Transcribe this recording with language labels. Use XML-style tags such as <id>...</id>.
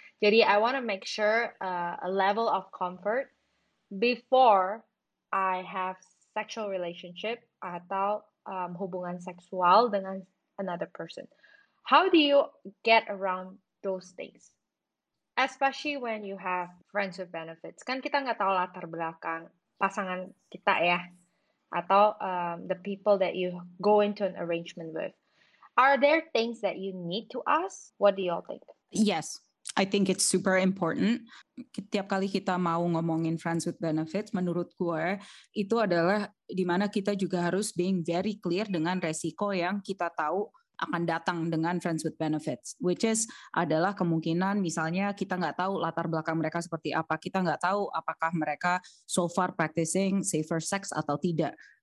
<en>Jadi I want to make sure a level of comfort before I have sexual relationship</en> <id>atau hubungan seksual dengan</id> <en>another person. How do you get around those things? Especially when you have friends with benefits.</en> <id>Kan kita nggak tahu latar belakang pasangan kita ya.</id> <en>Atau the people that you go into an arrangement with. Are there things that you need to ask? What do you all think? Yes, I think it's super important.</en> <id>Setiap kali kita mau ngomongin friends with benefits, menurut gue, itu adalah dimana kita juga harus</id> <en>being very clear</en> <id>dengan resiko yang kita tahu akan datang dengan friends with benefits,</id> <en>which is</en> <id>adalah kemungkinan misalnya kita nggak tahu latar belakang mereka seperti apa, kita nggak tahu apakah mereka</id> <en>so far practicing safer sex</en> <id>atau tidak.</id>